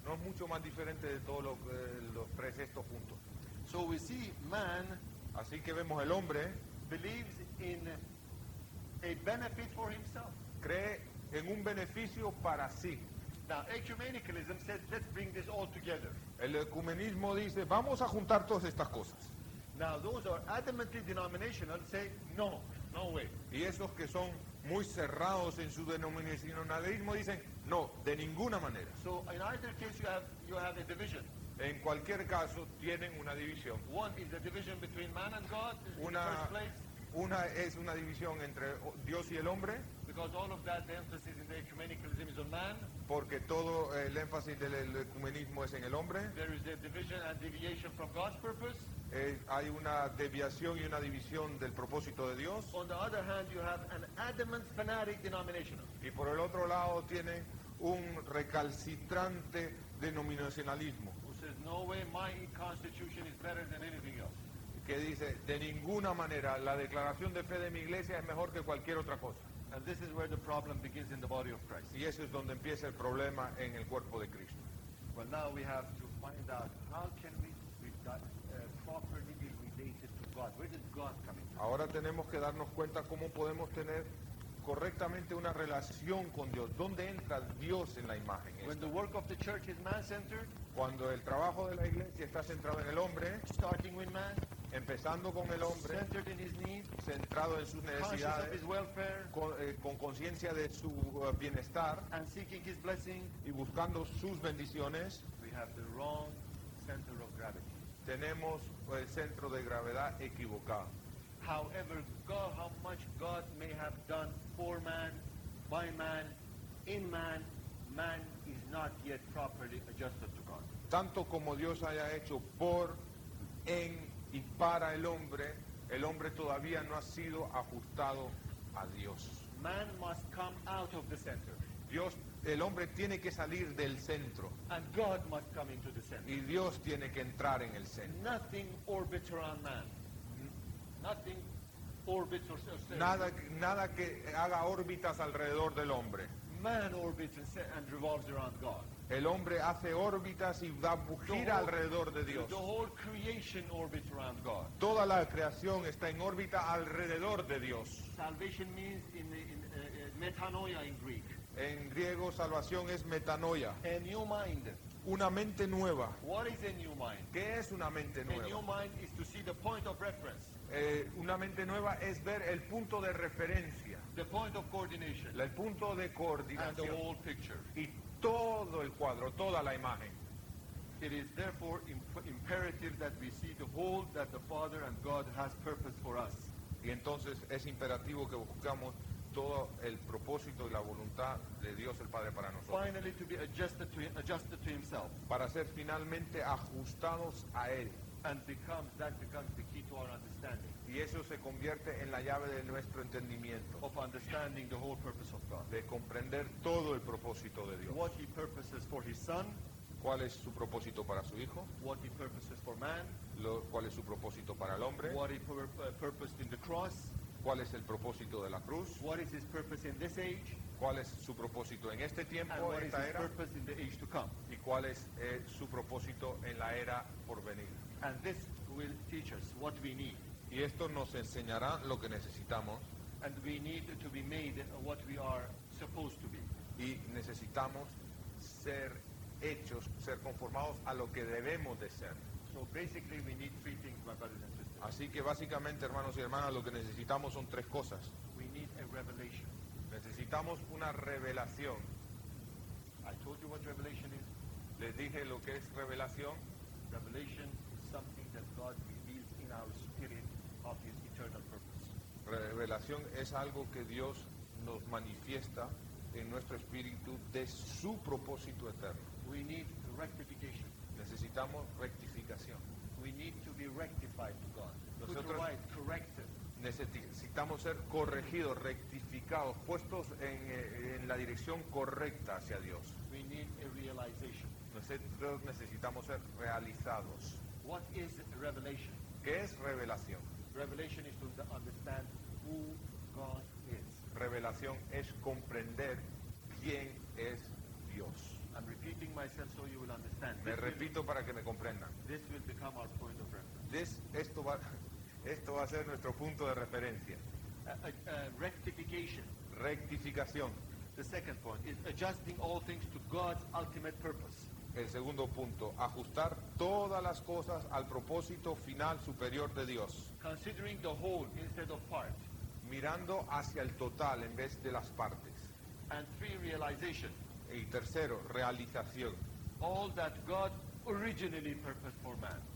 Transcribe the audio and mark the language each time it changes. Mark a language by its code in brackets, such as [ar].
[es] No es mucho más diferente de todos los tres estos juntos. [en] So we see man, [es] así que vemos el hombre [en] believes in a benefit for himself. [es] Cree en un beneficio para sí. [en] Now, ecumenicalism says, let's bring this all together. [es] El ecumenismo dice, vamos a juntar todas estas cosas. [en] Now, those are adamantly denominational say, no, no way. [es] Y esos que son muy cerrados en su denominacionalismo dicen, no, de ninguna manera. [en] So, in either case, you have a division. [es] En cualquier caso, tienen una división. [en] One is the division between man and God, [es] una, [en] in the first place. [es] Una es una división entre Dios y el hombre. [en] Because all of that, the emphasis in the ecumenicalism is on man. [es] Porque todo el énfasis del ecumenismo es en el hombre. [en] There is a division and deviation from God's purpose. [es] Hay una deviación y una división del propósito de Dios. [en] On the other hand, you have an adamant fanatic denominational. [es] Y por el otro lado tiene un recalcitrante denominacionalismo. [en] Who says, no way, my constitution is better than anything else. [es] Que dice, de ninguna manera, la declaración de fe de mi iglesia es mejor que cualquier otra cosa. [en] And this is where the problem begins in the body of Christ. [es] Y eso es donde empieza el problema en el cuerpo de Cristo. [en] Well, now we have to find out how can we that, properly be related to God. Where did God come in? [es] Ahora tenemos que darnos cuenta cómo podemos tener correctamente una relación con Dios. ¿Dónde entra Dios en la imagen? [en] When the work of the church is man-centered, [es] cuando el trabajo de la iglesia está centrado en el hombre, [en] starting with man, [es] empezando con el hombre, [en] centered in his needs, [es] centrado en sus necesidades, [en] conscious of his welfare, [es] con conciencia de su bienestar, [en] and seeking his blessing, [es] y buscando sus bendiciones, [en] we have the wrong center of gravity. [es] Tenemos el centro de gravedad equivocado. [en] However, God, how much God may have done for man, by man, in man, man is not yet properly adjusted to God. [es] Tanto como Dios haya hecho por, en y para el hombre todavía no ha sido ajustado a Dios. [en] Man must come out of the center. [es] Dios, el hombre tiene que salir del centro. [en] And God must come into the center. [es] Y Dios tiene que entrar en el centro. [en] Nothing orbits around man. Nothing orbits or centers. [es] Nada que haga órbitas alrededor del hombre. [en] Man orbits and revolves around God. [es] El hombre hace órbitas y va a girar alrededor de Dios. [en] The whole creation orbits around God. [es] Toda la creación está en órbita alrededor de Dios. [en] Salvation means metanoia in Greek. [es] En griego, salvación es metanoia. [en] A new mind. [es] Una mente nueva. [en] What is a new mind? [es] ¿Qué es una mente nueva? [en] A new mind is to see the point of reference. [es] Una mente nueva es ver el punto de referencia. [en] The point of coordination. [es] El punto de coordinación. [en] And the whole picture. [es] Y todo el cuadro, toda la imagen. [en] It is therefore imperative that we see the whole that the Father and God has purposed for us. [es] Y entonces es imperativo que buscamos todo el propósito y la voluntad de Dios el Padre para nosotros. [en] Finally, to be adjusted to himself. [es] Para ser finalmente ajustados a Él. [en] And becomes the key to our understanding. [es] Y eso se convierte en la llave de nuestro entendimiento. [en] Of understanding the whole purpose of God. [es] De comprender todo el propósito de Dios. [en] What he purposes for his son. [es] ¿Cuál es su propósito para su hijo? [en] What he purposes for man? [es] ¿Cuál es su propósito para el hombre? [en] What he purposed in the cross? [es] ¿Cuál es el propósito de la cruz? [en] What is his purpose in this age? [es] ¿Cuál es su propósito en este tiempo, [en] and [es] esta era? [en] Purpose in the age to come? [es] ¿Y cuál es su propósito en la era por venir? [en] And this will teach us what we need. [es] Y esto nos enseñará lo que necesitamos. [en] And we need to be made what we are supposed to be. [es] Y necesitamos ser hechos, ser conformados a lo que debemos de ser. [en] So basically we need three things, my brothers and sisters. [es] Así que básicamente, hermanos y hermanas, lo que necesitamos son tres cosas. [en] We need a revelation. [es] Necesitamos una revelación. [en] I told you what revelation is. [es] Les dije lo que es revelación. [en] Revelation is something that God reveals in our spirit of his eternal purpose. [es] Revelación es algo que Dios nos manifiesta en nuestro espíritu de su propósito eterno. [en] We need rectification. [es] Necesitamos rectificación. [en] We need to be rectified to God. [es] Nosotros [en] put right, corrected. [es] Necesitamos ser corregidos, rectificados, puestos en la dirección correcta hacia Dios. [en] We need a realization. [es] Nosotros necesitamos ser realizados. [en] What is revelation? [es] ¿Qué es revelación? [en] Revelation is to understand who God is. [es] Revelación es comprender quién es Dios. [en] I'm repeating myself so you will understand. [es] Me repito para que me comprendan. [en] This will become our point of reference. [es] Esto va a ser nuestro punto de referencia. [en] Rectification. [es] Rectificación. [en] The second point is adjusting all things to God's ultimate purpose. [es] El segundo punto, ajustar todas las cosas al propósito final superior de Dios. [en] Considering the whole instead of part. [es] Mirando hacia el total en vez de las partes. [en] And three, realization. [es] Y tercero, realización. [en] All that God originally purposed for man.